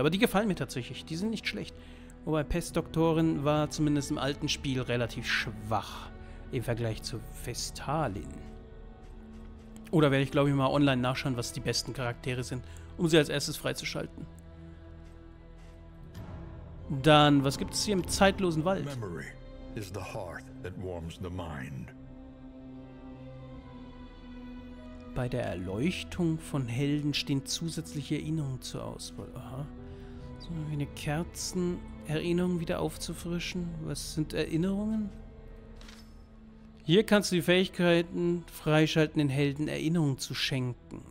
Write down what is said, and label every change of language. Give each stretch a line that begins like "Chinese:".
German: Aber die gefallen mir tatsächlich. Die sind nicht schlecht. Wobei Pestdoktorin war zumindest im alten Spiel relativ schwach. Im Vergleich zu Vestalin. Oder werde ich, glaube ich, mal online nachschauen, was die besten Charaktere sind, um sie als erstes freizuschalten. Dann, was gibt es hier im zeitlosen Wald?
English: Memory is the hearth that warms the mind.
German: Bei der Erleuchtung von Helden stehen zusätzliche Erinnerungen zur Auswahl. Aha. So wie eine Kerzenerinnerung wieder aufzufrischen. Was sind Erinnerungen? Hier kannst du die Fähigkeiten freischalten, den Helden Erinnerungen zu schenken.